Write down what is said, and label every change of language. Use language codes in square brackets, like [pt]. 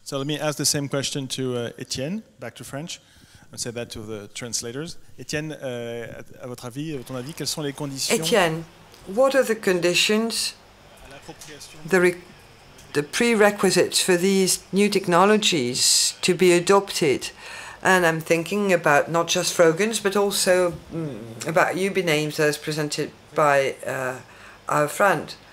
[en] So let me ask the same question to Étienne, back to French, and say that to the translators. [fr] Étienne, à votre avis, à ton avis, quelles sont les conditions? [en] Étienne, what are the conditions, the prerequisites for these new technologies to be adopted? And I'm thinking about not just Frogans, but also about UbiNames as presented by our friend.